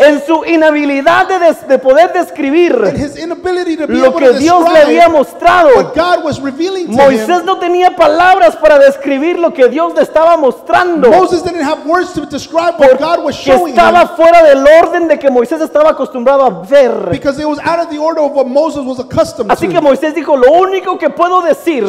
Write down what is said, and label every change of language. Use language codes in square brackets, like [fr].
[es] En su inhabilidad de poder describir lo que Dios le había mostrado, [en] what God was revealing to [es] Moisés [en] him. [es] No tenía palabras para describir lo que Dios le estaba mostrando. [en] Moses didn't have words to describe what God was showing [es] estaba [en] him. [es] Fuera del orden de que Moisés estaba acostumbrado a ver. [en] Because it was out of the order of what Moses was accustomed [es] así [en] to. [es] Que Moisés dijo, lo único que puedo decir